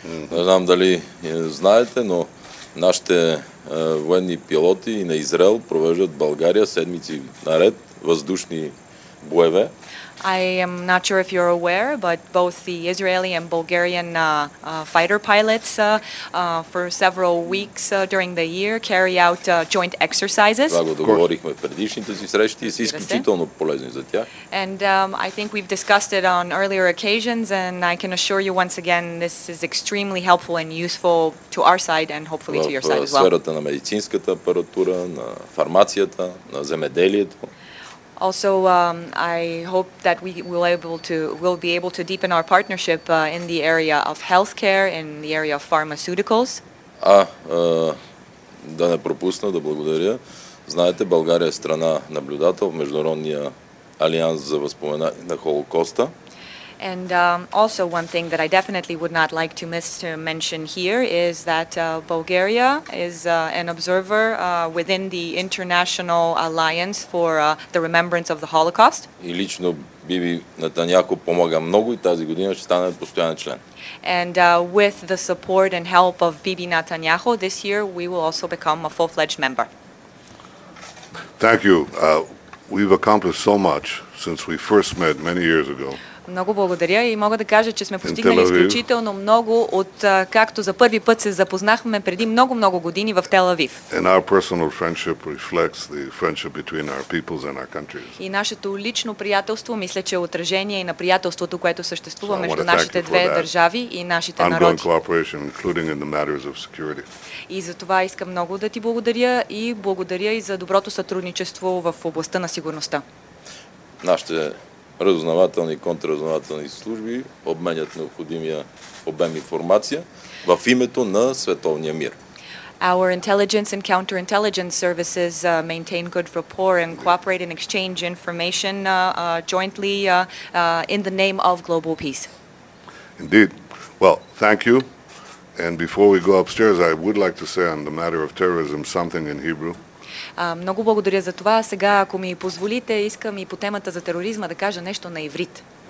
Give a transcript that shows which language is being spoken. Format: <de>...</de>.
<bg>Не знам дали знаете, но нашите военни пилоти на Израел провеждат България седмици наред въздушни боеве.</bg> <en>I am not sure if you're aware, but both the Israeli and Bulgarian fighter pilots for several weeks during the year carry out joint exercises.</en> <bg>Това го договорихме в предишните си срещи и са изключително полезни за тях.</bg> <en>And I think we've discussed it on earlier occasions, and I can assure you once again, this is extremely helpful and useful to our side and hopefully to your side as well.</en> <bg>В сферата на медицинската апаратура, на фармацията, на земеделието.</bg> <en>Also, I hope that we will be able to deepen our partnership in the area of healthcare, in the area of pharmaceuticals.</en> <bg>Да не пропусна, да благодаря. Знаете, България е страна наблюдател в Международния алианс за възпоменание на Холокоста.</bg> <en>And also one thing that I definitely would not like to miss to mention here is that Bulgaria is an observer within the International Alliance for the Remembrance of the Holocaust.</en> <bg>И лично Биби Нетаняху помага много и тази година ще стане постоянен член.</bg> <en>And with the support and help of Биби Нетаняху, this year we will also become a full-fledged member. Thank you. We've accomplished so much since we first met many years ago.</en> <bg>Много благодаря и мога да кажа, че сме постигнали изключително много от както за първи път се запознахме преди много-много години в Тел-Авив.</bg> <en>And our personal friendship reflects the friendship between our peoples and our countries.</en> <bg>И нашето лично приятелство мисля, че е отражение и на приятелството, което съществува между нашите две държави и нашите народи.</bg> <en>Ongoing cooperation, including in the matters of security.</en> <bg>И за това искам много да ти благодаря и благодаря и за доброто сътрудничество в областта на сигурността. Нашите разузнавателни и контрразузнавателни служби обменят необходимия обем информация в името на световния мир.</bg> <en>Our intelligence and counterintelligence services maintain good rapport and cooperate and exchange information jointly in the name of global peace. Indeed. Well, thank you. And before we go upstairs, I would like to say on the matter of terrorism something in Hebrew.</en> <bg>Много благодаря за това. Сега, ако ми позволите, искам и по темата за тероризма да кажа нещо на иврит.</bg>